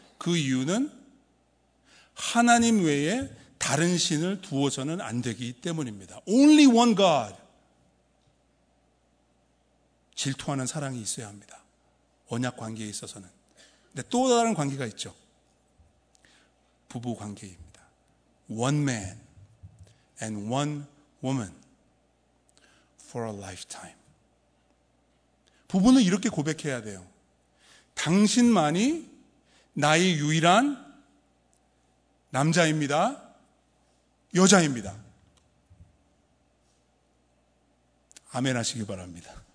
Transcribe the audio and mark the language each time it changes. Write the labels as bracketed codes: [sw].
[ko] 그 이유는 하나님 외에 다른 신을 두어서는 안 되기 때문입니다. [en] Only one God. [ko] 질투하는 사랑이 있어야 합니다. 언약 관계에 있어서는. 근데 또 다른 관계가 있죠. 부부 관계입니다. [en] One man and one woman for a lifetime. [ko] 부부는 이렇게 고백해야 돼요. 당신만이 나의 유일한 남자입니다. 여자입니다. 아멘 하시기 바랍니다.